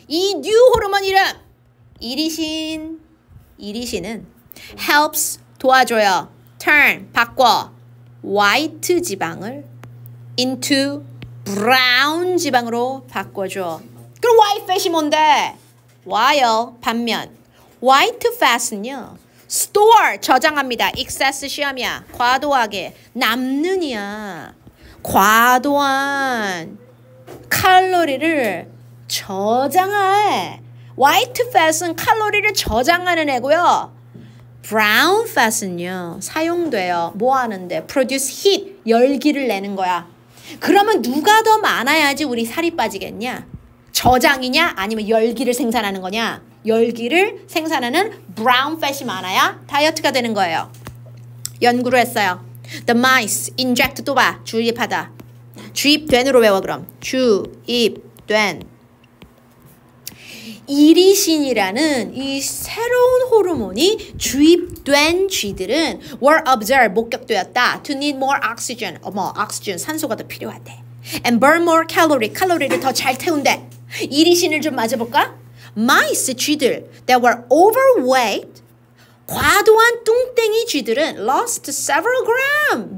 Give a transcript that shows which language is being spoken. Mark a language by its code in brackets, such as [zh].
[ko] 이 뉴 호르몬 이름 이리신. 이리신은 helps 도와줘요. turn 바꿔 white 지방을 into brown 지방으로 바꿔줘. 그럼 white fat이 뭔데? [en] while [ko] 반면 [en] white fat [ko] 은요 store 저장합니다. excess 시험이야. 과도하게 남는이야. 과도한 칼로리를 저장해. White fat은 칼로리를 저장하는 애고요. Brown fat은요 사용돼요. 뭐 하는데? [en] Produce heat, [ko] 열기를 내는 거야. 그러면 누가 더 많아야지 우리 살이 빠지겠냐? 저장이냐? 아니면 열기를 생산하는 거냐? 열기를 생산하는 brown fat이 많아야 다이어트가 되는 거예요. 연구를 했어요. [en] The mice inject [ko] 또 봐. 주입하다. 주입된으로 외워 그럼. 주입된. 이리신이라는 이 새로운 호르몬이 주입된 쥐들은 [en] were observed [ko] 목격되었다. [en] To need more oxygen. [ko] 어머, 옥시젠 산소가 더 필요하대. [en] And burn more calorie. [ko] 칼로리를 더 잘 태운대. 이리신을 좀 맞아 볼까? [en] Mice 쥐들 that were overweight [ko] 과도한 뚱땡이 쥐들은 [en] lost several gram.